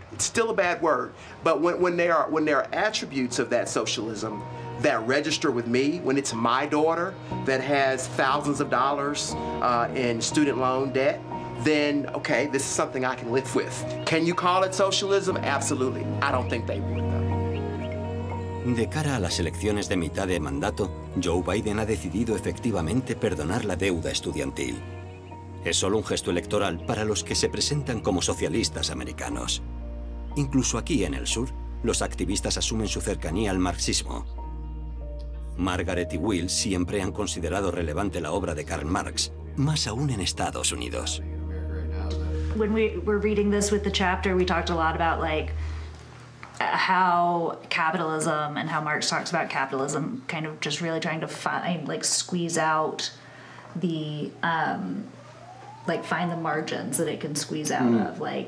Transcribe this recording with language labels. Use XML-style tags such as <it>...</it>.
<en>It's still a bad word, but when there are attributes of that socialism that register with me, when it's my daughter that has thousands of dollars in student loan debt, then okay, this is something I can live with. Can you call it socialism? Absolutely. I don't think they would.</en> <es>De cara a las elecciones de mitad de mandato, Joe Biden ha decidido efectivamente perdonar la deuda estudiantil. Es solo un gesto electoral para los que se presentan como socialistas americanos. Incluso aquí en el sur, los activistas asumen su cercanía al marxismo. Margaret y Will siempre han considerado relevante la obra de Karl Marx, más aún en Estados Unidos.</es> <en>When we were reading this with the chapter, we talked a lot about how capitalism and how Marx talks about capitalism, kind of just really trying to find, squeeze out the, find the margins that it can squeeze out of,</en>